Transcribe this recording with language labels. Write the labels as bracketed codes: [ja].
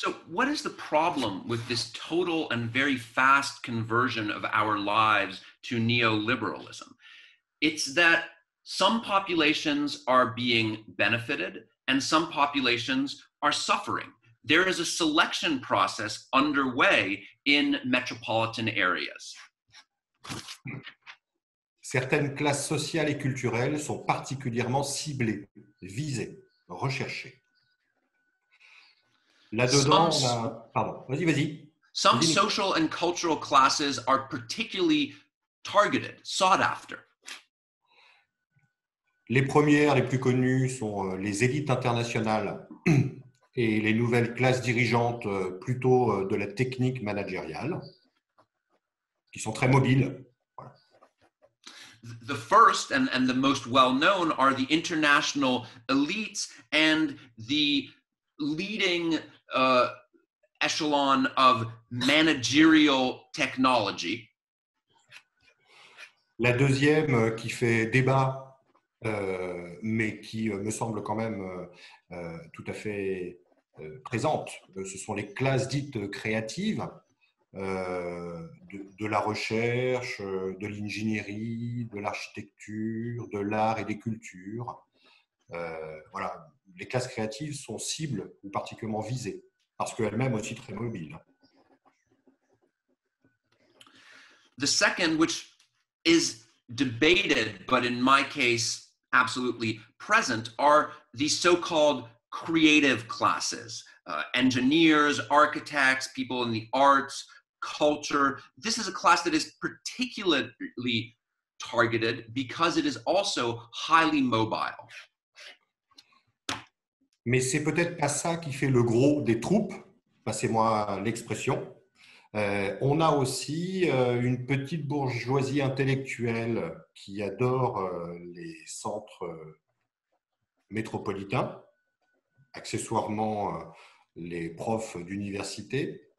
[en] So what is the problem with this total and very fast conversion of our lives to neoliberalism? It's that some populations are being benefited and some populations are suffering. There is a selection process underway in metropolitan areas. [fr] Certaines classes sociales et culturelles sont particulièrement ciblées, visées, recherchées. [en] Some social and cultural classes are particularly targeted, sought after. [fr] Les premières, les plus connues, sont les élites internationales et les nouvelles classes dirigeantes plutôt de la technique managériale, qui sont très mobiles. [en] The first and the most well-known are the international elites and the leading echelon of managerial technology. [fr] La deuxième qui fait débat, mais qui me semble quand même tout à fait présente, ce sont les classes dites créatives. De la recherche, de l'ingénierie, de l'architecture, de l'art et des cultures. Voilà, les classes créatives sont cibles ou particulièrement visées, parce qu'elles-mêmes aussi très mobiles. [en] The second, which is debated, but in my case absolutely present, are the so-called creative classes, engineers, architects, people in the arts, culture. This is a class that is particularly targeted because it is also highly mobile. [fr] Mais c'est peut-être pas ça qui fait le gros des troupes, passez-moi l'expression. On a aussi une petite bourgeoisie intellectuelle qui adore les centres métropolitains, accessoirement les profs d'université.